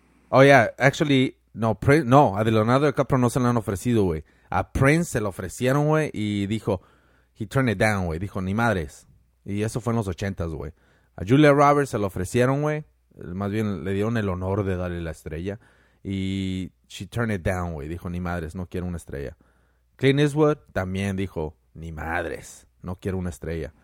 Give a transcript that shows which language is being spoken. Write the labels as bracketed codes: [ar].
[es] Actually, no. No, a Leonardo DiCaprio no se la han ofrecido, güey. A Prince se la ofrecieron, güey. Y dijo, [en] he turned it down, [es] güey. Dijo, ni madres. Y eso fue en los 80s, güey. A Julia Roberts se la ofrecieron, güey. Más bien, le dieron el honor de darle la estrella. Y [en] she turned it down, [es] güey. Dijo, ni madres, no quiero una estrella. Clint Eastwood también dijo, ni madres, no quiero una estrella.